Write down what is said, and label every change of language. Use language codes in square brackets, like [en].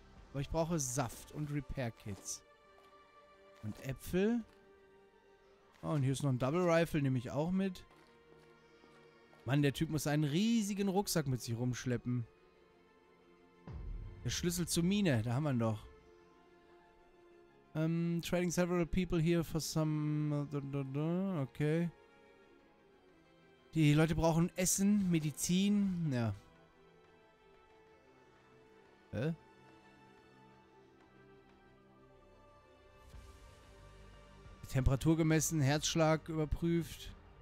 [de] Aber ich brauche Saft und Repair-Kits. Und Äpfel. Oh, und hier ist noch ein Double Rifle, nehme ich auch mit. Mann, der Typ muss einen riesigen Rucksack mit sich rumschleppen. Der Schlüssel zur Mine, da haben wir ihn doch. [en] Trading several people here for some... Okay. [de] Die Leute brauchen Essen, Medizin, ja. Hä? Temperatur gemessen, Herzschlag überprüft.